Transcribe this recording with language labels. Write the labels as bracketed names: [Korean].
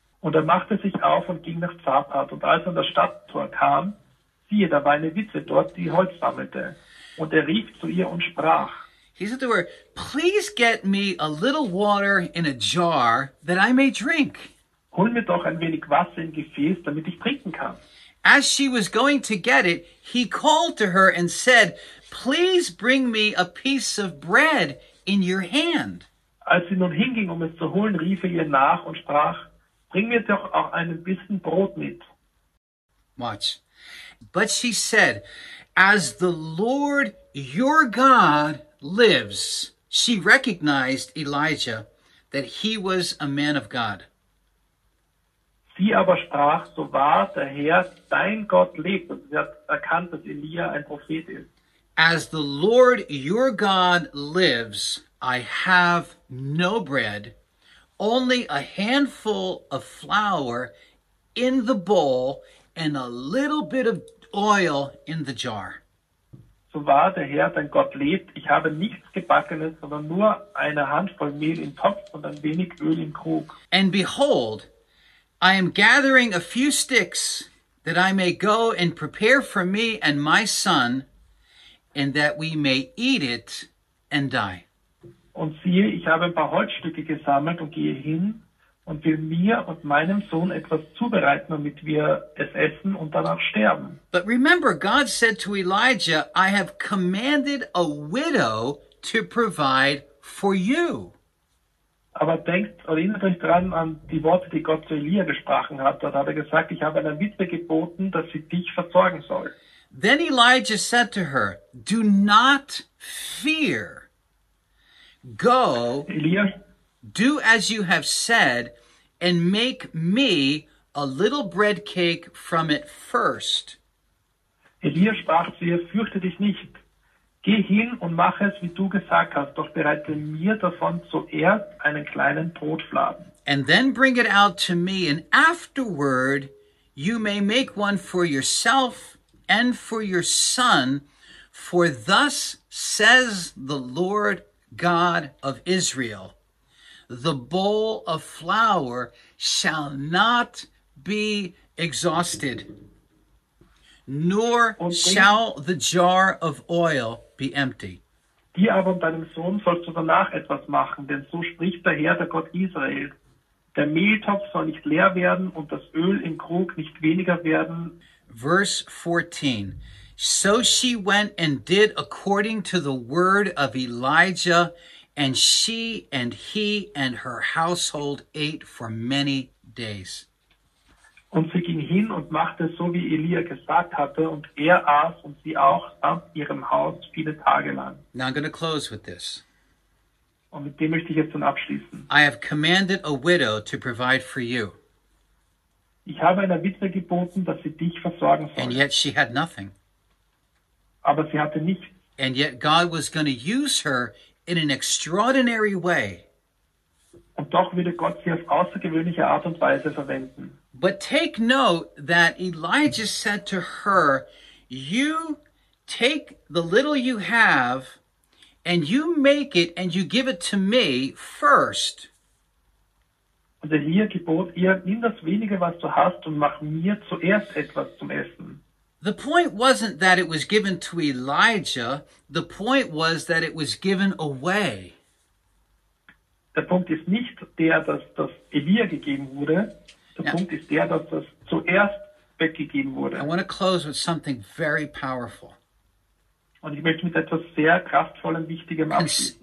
[German] Und machte sich auf und ging nach Zarephath. Und als an der Stadttor kam, siehe, da war eine Witwe dort, die Holz sammelte. Und rief zu ihr und sprach. [English] He said to her, please get me a little water in a jar that I may drink. [German] Hol mir doch ein wenig Wasser in Gefäß, damit ich trinken kann. [English] As she was going to get it, he called to her and said, please bring me a piece of bread in your hand. [German] Als sie nun hinging, um es zu holen, rief er ihr nach und sprach, bring mir doch auch einen Bissen Brot mit. [English] Watch. But she said, as the Lord your God lives, she recognized Elijah, that he was a man of God. [German] Sie aber sprach, so wahr der Herr dein Gott lebt, und sie hat erkannt, dass Elia ein Prophet ist. [English] As the Lord your God lives, I have no bread, only a handful of flour in the bowl and a little bit of oil in the jar. [German] So wahr der Herr, dein Gott lebt, ich habe nichts Gebackenes, sondern nur eine Handvoll Mehl im Topf und ein wenig Öl im Krug. [English] And behold, I am gathering a few sticks, that I may go and prepare for me and my son, and that we may eat it and die. [German] Und siehe, ich habe ein paar Holzstücke gesammelt und gehe hin und will mir und meinem Sohn etwas zubereiten, damit wir es essen und danach sterben. [English] But remember, God said to Elijah, I have commanded a widow to provide for you. [German] Aber denkt oder erinnert euch dran an die Worte, die Gott zu Elia gesprochen hat. Dort hat er gesagt, ich habe einer Witwe geboten, dass sie dich versorgen soll. [English] Then Elijah said to her, do not fear. Go, Elia, do as you have said and make me a little bread cake from it first. [German] Elia sprach zu ihr, fürchte dich nicht. Geh hin und mache es, wie du gesagt hast, doch bereite mir davon zuerst einen kleinen Brotfladen. [English] And then bring it out to me and afterward you may make one for yourself and for your son, for thus says the Lord God of Israel, the bowl of flour shall not be exhausted, nor shall the jar of oil be empty. [German] Dir aber und deinem Sohn sollst du danach etwas machen, denn so spricht der Herr, der Gott Israel. Der Mehltopf soll nicht leer werden und das Öl im Krug nicht weniger werden. [English] Verse 14. So she went and did according to the word of Elijah, and she and he and her household ate for many days. [German] Und sie ging hin und machte so, wie Elia gesagt hatte, und aß und sie auch ab ihrem Haus viele Tage lang. [English] Now I'm going to close with this. [German] Und mit dem möchte ich jetzt dann abschließen. [English] I have commanded a widow to provide for you. [German] Ich habe einer Witwe geboten, dass sie dich versorgen soll. [English] And yet she had nothing. [German] Aber sie hatte nichts. [English] And yet God was going to use her in an extraordinary way. [German] Und doch würde Gott sie auf außergewöhnliche Art und Weise verwenden. [English] But take note that Elijah said to her, you take the little you have and you make it and you give it to me first. [German] Und Elia gebot ihr, nimm das wenige, was du hast und mach mir zuerst etwas zum Essen. [English] The point wasn't that it was given to Elijah. The point was that it was given away. [German] Der Punkt ist nicht der, dass das Elia gegeben wurde. Punkt ist der, dass das zuerst weggegeben wurde. [English] I want to close with something very powerful. [German] Und ich möchte mit etwas sehr kraftvollem, wichtigem abschließen.